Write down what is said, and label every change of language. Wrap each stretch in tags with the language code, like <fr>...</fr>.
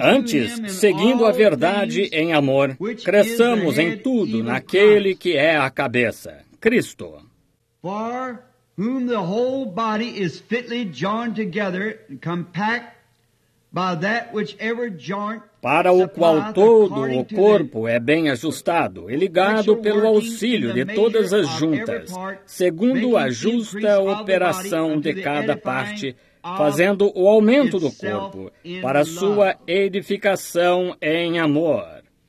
<pt>antes, seguindo a verdade em amor, cresçamos em tudo naquele que é a cabeça, Cristo.</pt> <en>For whom the whole body is fitly joined together and compact by that which every joint.</en> <pt>Para o qual todo o corpo é bem ajustado e ligado pelo auxílio de todas as juntas, segundo a justa operação de cada parte, fazendo o aumento do corpo para sua edificação em amor.</pt>